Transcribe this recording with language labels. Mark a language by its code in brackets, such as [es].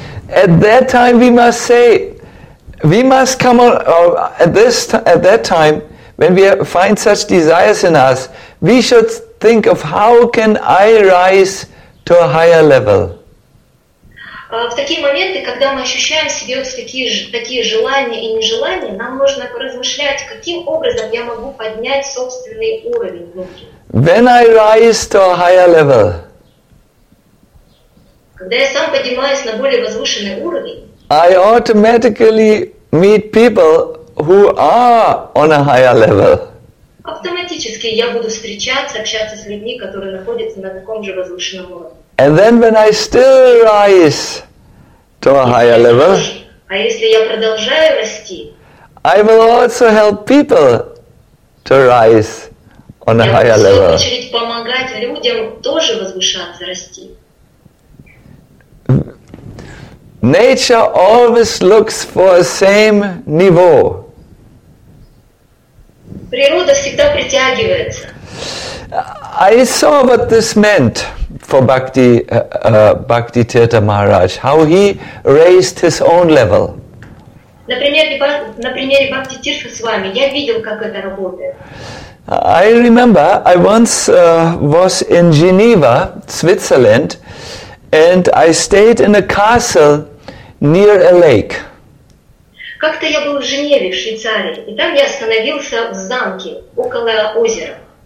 [en] At that time we must say, we must come on, at that time, when we find such desires in us, we should think of how can I rise to a higher level. [ru] В такие моменты, когда мы ощущаем в себе такие желания и нежелания, нам нужно поразмышлять, каким образом я могу поднять собственный уровень внутри. [en] When I rise to a higher level, [ru] когда я сам поднимаюсь на более возвышенный уровень, [en] I automatically meet people who are on a higher level. [ru] Автоматически я буду встречаться, общаться с людьми, которые находятся на таком же возвышенном уровне. [en] And then when I still rise to a higher level, [ru] а если я продолжаю расти, [en] I will also help people to rise on a higher level. [ru] Я буду в свою очередь помогать людям тоже возвышаться, расти. [en] Nature always looks for the same niveau. [ru] Природа всегда притягивается. [en] I saw what this meant for Bhakti Tirtha Maharaj, how he raised his own level. [ru] Например, Бхакти Тиртха с вами, я видел, как это работает. [en] I remember I once was in Geneva, Switzerland, and I stayed in a castle near a lake. [ru] Как-то я был в Женеве, в Швейцарии, и там я остановился в замке около озера.